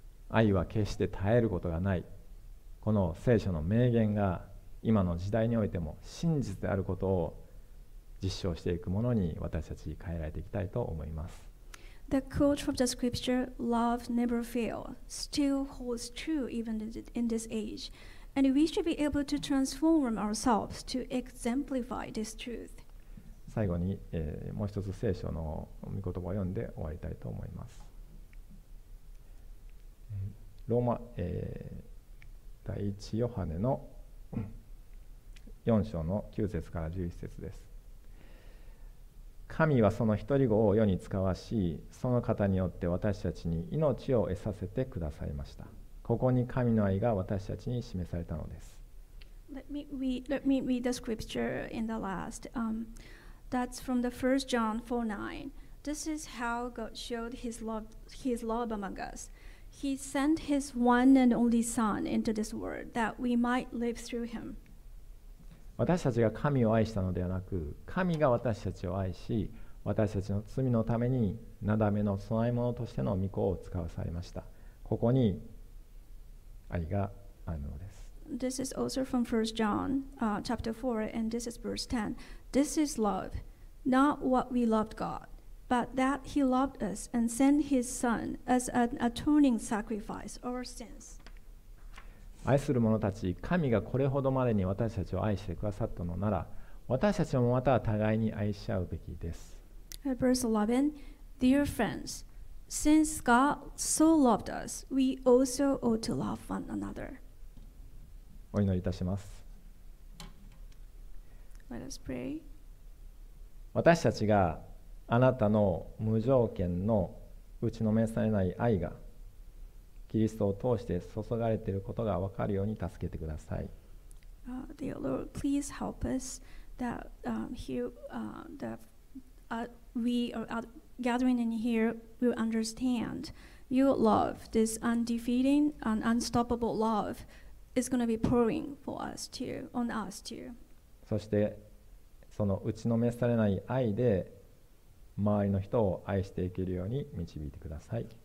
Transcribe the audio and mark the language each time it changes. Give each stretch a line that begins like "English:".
Japanese: 愛は決して絶えることがない。この聖書の名言が今の時代においても真実であることを実証していくものに私たち変えられていきたいと思います。
English: The quote from the scripture, "Love never fails," still holds true even in this age, and we should be able to transform ourselves to exemplify this truth.
Japanese: 最後に、もう一つ聖書の御言葉を読んで終わりたいと思います。ローマ、第一ヨハネの4章の9節から11節です。神はその一人子を世に遣わし、その方によって私たちに命を得させてくださいました。ここに神の愛が私たちに示されたのです。
English: Let me read the scripture in the last. That's from the 1 John 4:9. This is how God showed his love among us. He sent his one and only son into this world that we might live through him.
Japanese: 私たちが神を愛したのではなく、神が私たちを愛し、私たちの罪のためになだめの供え物としての御子を使わされました。ここに愛があるのです。
English: This is also from 1 John chapter 4, and this is verse 10. This is love, not what we loved God, but that he loved us and sent his son as an atoning sacrifice for our sins.
Japanese: 愛する者たち、神がこれほどまでに私たちを愛してくださったのなら、私たちもまた互いに愛し合うべきです。
English: Verse 11, Dear friends, since God so loved us, we also ought to love one another.
Japanese: お祈りいたします。
English: Let us pray.
Japanese: 私たちがあなたの無条件の打ちのめされない愛がキリストを通して注がれていることが分かるように助けてください。
English: Dear Lord, please help us that gathering in here will understand your love, this undefeating and unstoppable love is going to be pouring for us too, on us too.
Japanese: そしてその打ちのめされない愛で周りの人を愛していけるように導いてください。